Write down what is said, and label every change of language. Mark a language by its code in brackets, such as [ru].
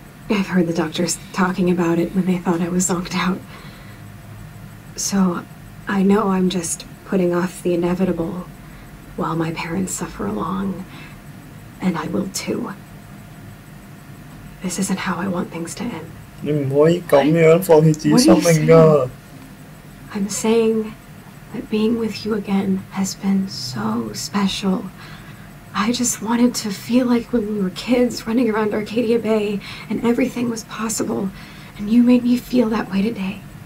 [en] I've heard the doctors talking about it when they thought I was zonked out. So I know I'm just putting off the inevitable while my parents suffer along, and I will too. This isn't how I want things to end. [zh] 你不可以这样放弃自己生命的。 [en] I'm saying that being with you again has been so special. I just wanted to feel like when we were kids running around Arcadia Bay and everything was possible, and you made me feel that way today.